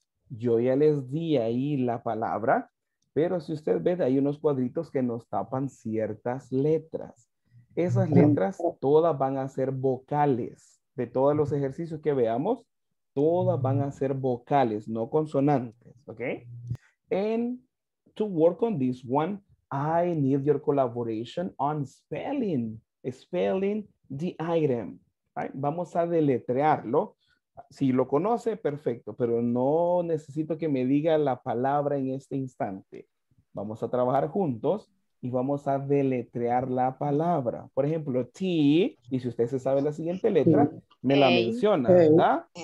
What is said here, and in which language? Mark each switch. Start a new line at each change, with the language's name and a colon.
Spanish: Yo ya les di ahí la palabra, pero si usted ve, hay unos cuadritos que nos tapan ciertas letras. Esas letras todas van a ser vocales. De todos los ejercicios que veamos, todas van a ser vocales, no consonantes, ¿ok?
English: And to work on this one, I need your collaboration on spelling the item, right?
Spanish: Vamos a deletrearlo. Si lo conoce, perfecto, pero no necesito que me diga la palabra en este instante. Vamos a trabajar juntos y vamos a deletrear la palabra. Por ejemplo, T, y si usted se sabe la siguiente letra, me la menciona, ¿verdad?